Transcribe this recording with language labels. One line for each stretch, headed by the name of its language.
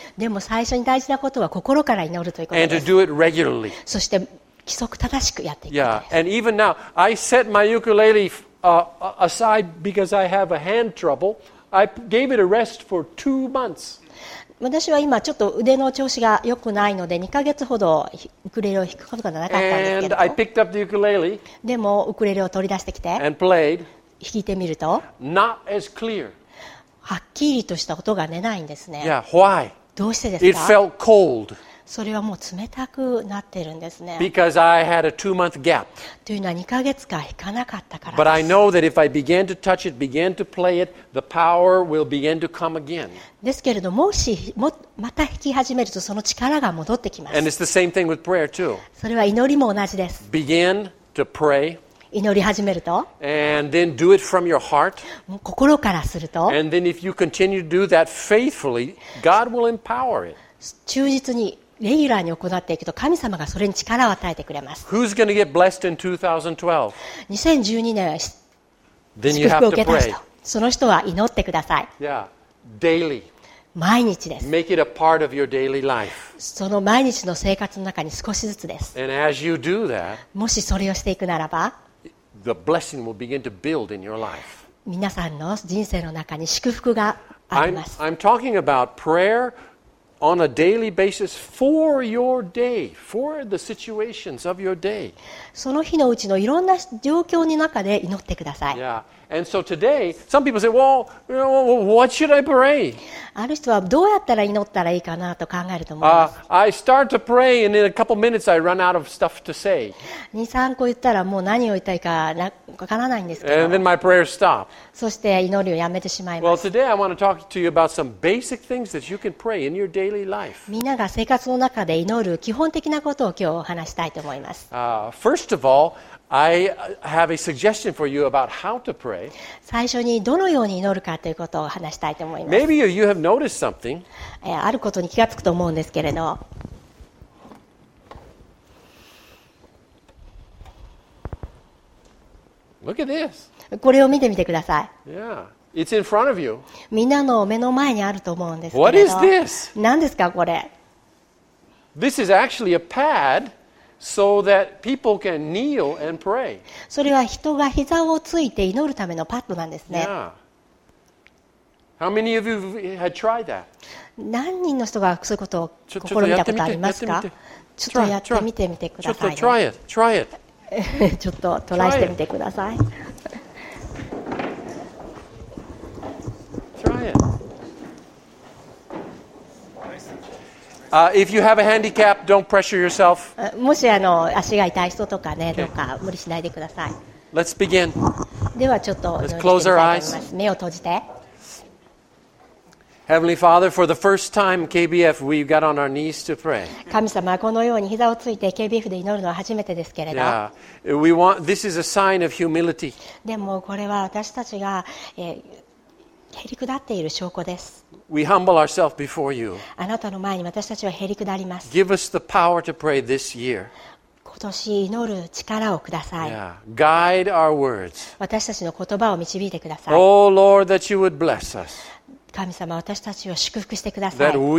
Japanese: でも最初に大事なことは心から祈るということです。
English: And to do it regularly.
Japanese: そして規則正しくやっていくことです。
English: Yeah. And even now, I set my ukulele aside because I have a hand trouble. I gave it a rest for 2 months.
Japanese: 私は今ちょっと腕の調子が良くないので2ヶ月ほどウクレレを弾くことがなかったんですけど、
English: ukulele,
Japanese: でもウクレレを取り出してきて
English: played,
Japanese: 弾いてみると
English: not as clear.
Japanese: はっきりとした音が出ないんですね。
English: yeah, why?
Japanese: どうしてですか？
English: It felt cold.
Japanese: それはもう冷たくなってるんですね。
English: Because I had a 2 month gap.
Japanese: というのは2ヶ月間弾かなかったからです。
English: But I know that if I began to touch it, began to play it, the power will begin to come again.
Japanese: ですけれども、もしもまた弾き始めるとその力が戻ってきます。
English: And it's the same thing with prayer too.
Japanese: それは祈りも同じです。
English: Begin to pray.
Japanese: 祈り始めると、
English: And then do it from your heart.
Japanese: 心からすると、
English: And then if you continue to do that faithfully, God will empower it.
Japanese: 忠実にレギュラーに行っていくと神様がそれに力を与えてくれます。
English: Who's going to get blessed in 2012?
Japanese: 2012年は祝福を受けた人、その人は祈ってください。
English: Yeah. Daily.
Japanese: 毎日です。
English: Make it a part of your daily life.
Japanese: その毎日の生活の中に少しずつです。
English: And as you do that,
Japanese: もしそれをしていくならば、
English: The blessing will begin to build in your life.
Japanese: 皆さんの人生の中に祝福があります。
English: I'm talking about prayer on a daily basis for your day, for the situations of your day.
Japanese: その日のうちのいろんな状況の中で祈ってください。
English: Yeah. And so today, some people say, "Well, you know, what should I pray?"
Japanese: ある人はどうやったら祈ったらいいかなと考えると思います。
English: I start to pray, and in a couple minutes, I run out of stuff to say.
Japanese: 2、3個言ったらもう何を言いたいかわからないんですけど。
English: And then my prayer stops.
Japanese: そして祈りをやめてしまいます。
English: Well, today I want to talk to you about some basic things that you can pray in your daily life.
Japanese: みんなが生活の中で祈る基本的なことを今日お話したいと思います。
English: First of all. I have a suggestion for you about how to pray.
Japanese: 最初にどのように祈るかということを話したいと思います。
English: Maybe you have noticed something.
Japanese: あることに気がつくと思うんですけれど。
English: Look at this.
Japanese: これを見てみてください。
English: Yeah, it's in front of you.
Japanese: みんなの目の前にあると思うんですけれど。
English: What is this?
Japanese: 何ですかこれ。
English: This is actually a pad. So that people can kneel and pray.
Japanese: それは人が膝をついて祈るためのパッドなんですね。
English: Yeah. How many of you had tried that?
Japanese: 何人の人がそういうことを試みたことありますか？ちょっとやってみてください。
English: Try it.
Japanese: ちょっとトライしてみてください。
English: If you have a handicap, don't pressure yourself.
Japanese: もし足が痛い人とかね、どうか無理しないでください。
English: Let's begin.
Japanese: ではちょっと、
English: Let's close our eyes.
Japanese: 目を閉じて。
English: Heavenly Father, for the first time, KBF, we got on our knees to pray.
Japanese: 神様、このように膝をついて KBF で祈るのは初めてですけれど。
English: Yeah. We want, this is a sign of humility.
Japanese: でもこれは私たちが、へりくだっている証拠です。
English: We humble ourselves before you.
Japanese: あなたの前に私たちはへりくだります。
English: Give us the power to pray this year.
Japanese: 今年祈る力をください。
English: Yeah. Guide our words.
Japanese: 私たちの言葉を導いてください。
English: Oh Lord, that you would bless us.
Japanese: 神様、私たちを祝福してください。